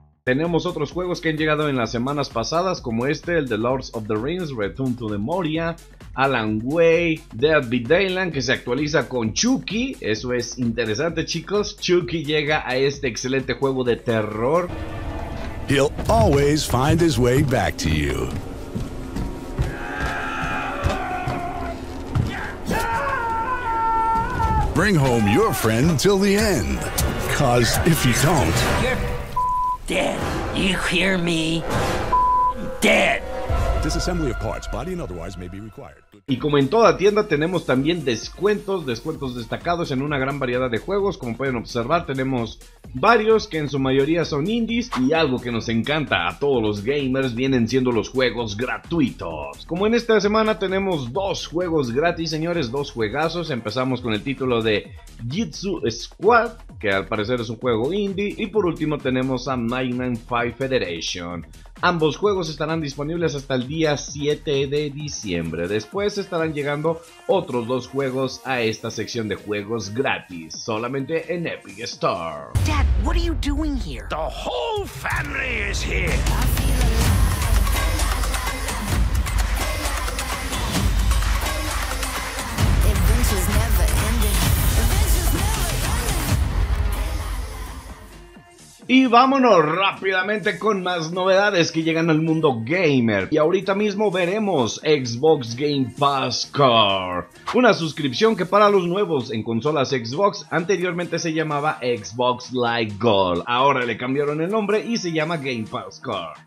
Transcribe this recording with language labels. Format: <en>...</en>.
<es>Tenemos otros juegos que han llegado en las semanas pasadas, como este, el The Lords of the Rings, Return to the Moria, Alan Way, Dead by Daylight, que se actualiza con Chucky. Eso es interesante, chicos. Chucky llega a este excelente juego de terror.</es> <en>He'll always find his way back to you. Bring home your friend till the end. Cause if you don't... Dead. You hear me? Dead. Disassembly of parts, body and otherwise may be required.</en> <es>Y como en toda tienda, tenemos también descuentos, descuentos destacados en una gran variedad de juegos. Como pueden observar, tenemos varios que en su mayoría son indies, y algo que nos encanta a todos los gamers vienen siendo los juegos gratuitos. Como en esta semana tenemos dos juegos gratis, señores, dos juegazos. Empezamos con el título de Jitsu Squad, que al parecer es un juego indie, y por último tenemos a 995 Federation. Ambos juegos estarán disponibles hasta el día 7 de diciembre. Después estarán llegando otros dos juegos a esta sección de juegos gratis, solamente en Epic Store.</es> <en>Dad, what are you doing here? The whole family is here. Adventures never ending.</en> <es>Y vámonos rápidamente con más novedades que llegan al mundo gamer. Y ahorita mismo veremos Xbox Game Pass Core, una suscripción que para los nuevos en consolas Xbox, anteriormente se llamaba Xbox Live Gold, ahora le cambiaron el nombre y se llama Game Pass Core.</es>